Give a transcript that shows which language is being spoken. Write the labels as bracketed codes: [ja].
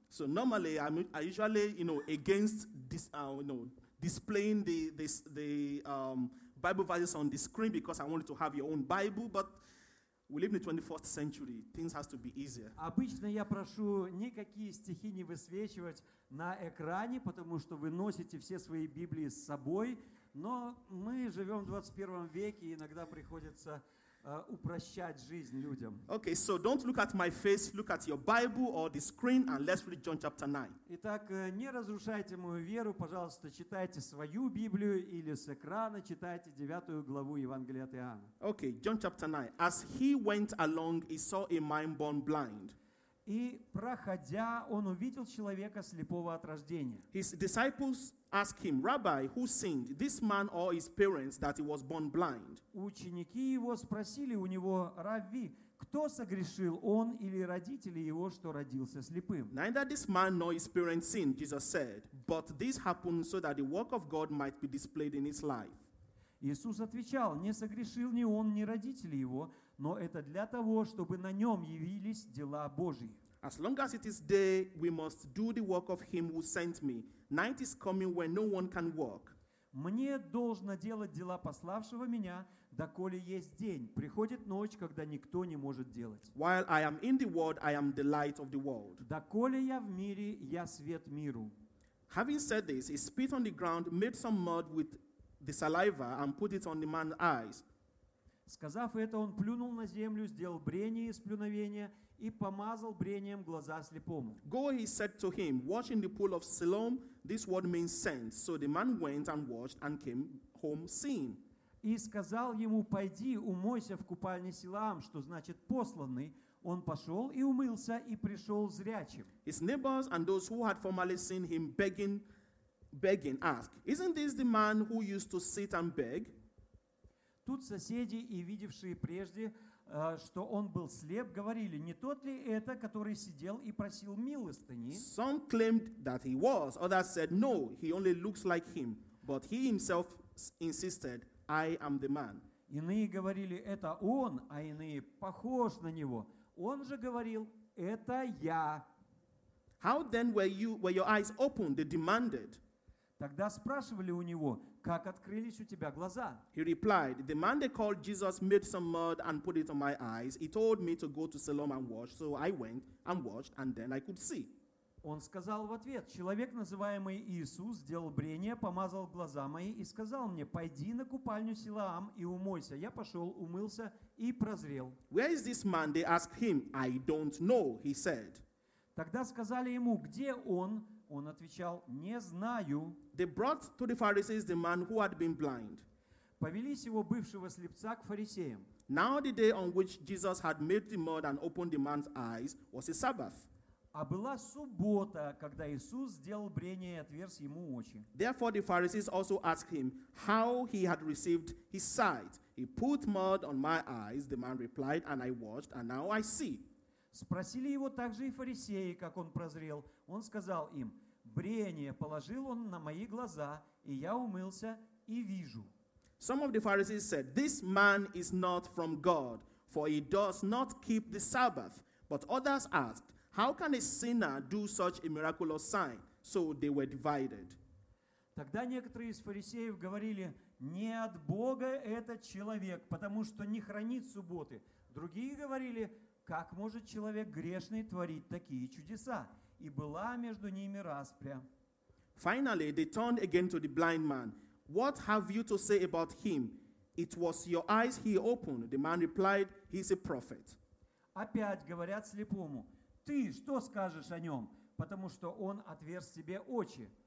[en] So normally I usually, you know, against this, displaying the Bible verses on the screen because I wanted to have your own Bible, but we live in the 21st century. Things have to be easier. [ru] Обычно я прошу никакие стихи не высвечивать на экране, потому что вы носите все свои Библии с собой, но мы живем в 21 веке, и иногда приходится упрощать жизнь людям. [en] Okay, so don't look at my face, look at your Bible or the screen and let's read John chapter 9. [ru] Итак, не разрушайте мою веру, пожалуйста, читайте свою Библию или с экрана читайте 9 главу Евангелия от Иоанна. [en] Okay, John chapter 9. As he went along, he saw a man born blind. [ru] И проходя, он увидел человека слепого от рождения. [en] His disciples asked him, Rabbi, who sinned, this man or his parents, that he was born blind? [ru] Ученики его спросили у него, Равви, кто согрешил, он или родители его, что родился слепым? [en] Neither this man nor his parents sinned, Jesus said, but this happened so that the work of God might be displayed in his life. [ru] Иисус отвечал, не согрешил ни он, ни родители его, но это для того, чтобы на нем явились дела Божьи. [en] As long as it is day, we must do the work of him who sent me. Night is coming when no one can work. [ru] Мне должно делать дела пославшего меня, доколе есть день. Приходит ночь, когда никто не может делать. [en] While I am in the world, I am the light of the world. [ru] Доколе я в мире, я свет миру. [en] Having said this, he spit on the ground, made some mud with the saliva and put it on the man's eyes. [ru] Сказав это, он плюнул на землю, сделал брение из плюновения и помазал брением глаза слепому. [en] Go, he said to him, wash in the pool of Siloam. This word means sent. So the man went and washed and came home seeing. [ru] И сказал ему, пойди, умойся в купальне Силаам, что значит посланный. Он пошел и умылся, и пришел зрячим. [en] His neighbors and those who had formerly seen him begging, ask, isn't this the man who used to sit and beg? [ru] Тут соседи и видевшие прежде, что он был слеп, говорили, не тот ли это, который сидел и просил милостыни? [en] Some claimed that he was. Others said, no, he only looks like him. But he himself insisted, I am the man. [ru] Иные говорили, это он, а иные похож на него. Он же говорил, это я. [en] How then were your eyes opened? They demanded. [ru] Тогда спрашивали у него, как открылись у тебя глаза? [en] He replied, the man they called Jesus made some mud and put it on my eyes. He told me to go to Siloam and wash, so I went and washed, and then I could see. [ru] Он сказал в ответ, человек, называемый Иисус, сделал брение, помазал глаза мои и сказал мне, пойди на купальню Силаам и умойся. Я пошел, умылся и прозрел. [en] Where is this man? They asked him. I don't know, he said. [ru] Тогда сказали ему, где он? Он отвечал, не знаю. [en] They brought to the Pharisees the man who had been blind. [ru] Повели сего бывшего слепца к фарисеям. [en] Now the day on which Jesus had made the mud and opened the man's eyes was a Sabbath. [ru] А была суббота, когда Иисус сделал брение и отверз ему очи. [en] Therefore the Pharisees also asked him how he had received his sight. He put mud on my eyes, the man replied, and I washed, and now I see. [ru] Спросили его также и фарисеи, как он прозрел. Он сказал им, брение положил он на мои глаза, и я умылся и вижу. [en] Some of the Pharisees said, this man is not from God, for he does not keep the Sabbath. But others asked, how can a sinner do such a miraculous sign? So they were divided. [ru] Тогда некоторые из фарисеев говорили, не от Бога этот человек, потому что не хранит субботы. Другие говорили, как может человек грешный творить такие чудеса? И была между ними распря. [en] Finally, they turned again to the blind man. What have you to say about him? It was your eyes he opened. The man replied, he's a prophet. [ru] Опять говорят слепому, ты что скажешь о нем? Потому что он отверз себе очи.